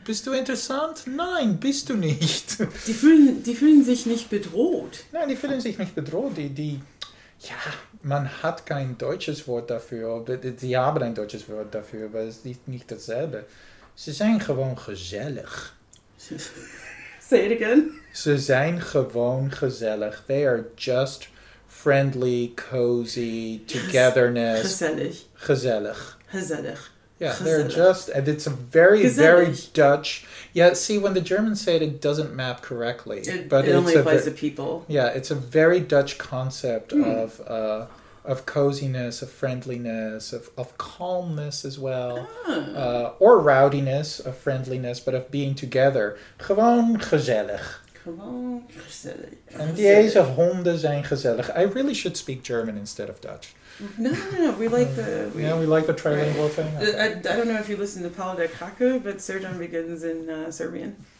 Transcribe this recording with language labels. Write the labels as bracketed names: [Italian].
[German] Bist du interessant? Nein, bist du nicht. Die fühlen sich nicht bedroht. Nein, die fühlen sich nicht bedroht. Die ja, man hat kein deutsches Wort dafür. Die haben ein deutsches Wort dafür, aber es ist nicht dasselbe. Sie sind [Dutch] gewoon gezellig. [English] Say it again. [Dutch] Ze zijn gewoon gezellig. [English] They are just friendly, cozy, togetherness. [Dutch] Gezellig. [English] Yeah, they're just, and it's a very, very Dutch. Yeah, see, when the Germans say it, it doesn't map correctly. It only applies to people. Yeah, it's a very Dutch concept of coziness, of friendliness, of calmness as well. Oh. Or rowdiness, of friendliness, but of being together. [Dutch] Gewoon gezellig. Gewoon gezellig. En deze honden zijn gezellig. [English] I really should speak German instead of Dutch. No. We like the trilingual thing. Okay. I don't know if you listen to Paolo de Kracke, but Serdan begins in Serbian.